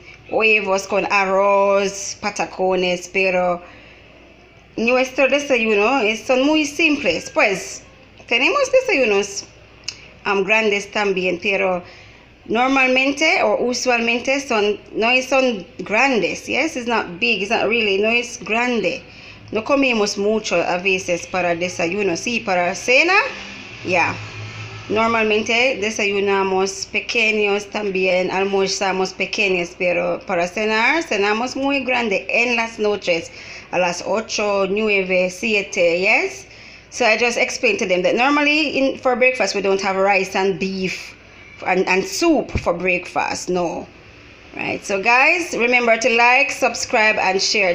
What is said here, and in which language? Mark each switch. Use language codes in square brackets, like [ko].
[es] Huevos con arroz, patacones, pero nuestro desayuno son muy simples. Pues tenemos desayunos grandes también, pero normalmente o usualmente no son grandes. [en] Yes, it's not big, it's not really, [es] no es grande. No comemos mucho a veces para desayuno. Sí, para cena, yeah. Normalmente desayunamos pequeños también, almorzamos pequeños, pero para cenar, cenamos muy grande en las noches, a las 8, 9, 7, yes. [en] So I just explained to them that normally for breakfast, we don't have rice and beef and soup for breakfast, no. Right, so guys, remember to like, subscribe, and share.